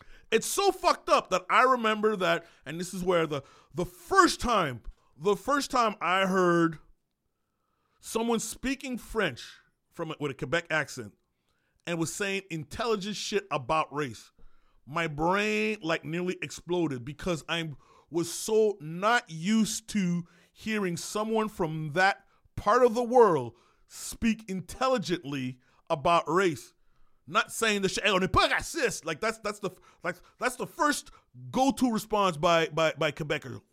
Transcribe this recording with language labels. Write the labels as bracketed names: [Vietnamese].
[English] It's so fucked up that I remember that, and this is where the first time I heard someone speaking French with a Quebec accent and was saying intelligent shit about race, my brain like nearly exploded because I was so not used to hearing someone from that part of the world speak intelligently about race. Not saying the shit, hey, [French] on n'est pas raciste. [English] Like that's the first go-to response by Quebecers.